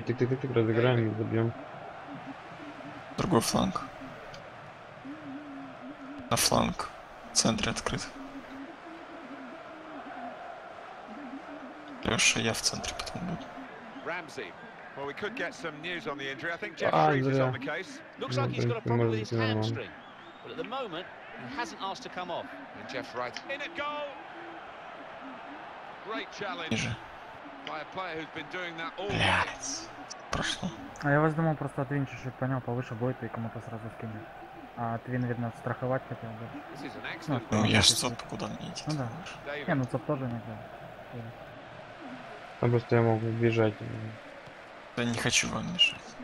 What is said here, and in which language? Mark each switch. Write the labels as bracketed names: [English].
[Russian] Тык-тык-тык, разыграем и забьем. Другой фланг. На фланг. В центре открыт. Леша, я в центре потом буду. Рамзи. [English] Well, we could get some news on the injury. I think Jeff Fries is on the case. Looks like he's got a problem with his hamstring. But at the moment, he hasn't asked to come off. And Jeff Wright in a goal! Great challenge by a player who's been doing that all night. [Russian] Прошло. А я вас думал, просто Твин чуть-чуть понял, повыше будет и кому-то сразу скинет. А Твин, видно, страховать хотел бы. Ну, я же ЦОП куда не идти. Ну да. Не, ну ЦОП тоже не делал. Там просто я могу бежать. Да не хочу вам мешать.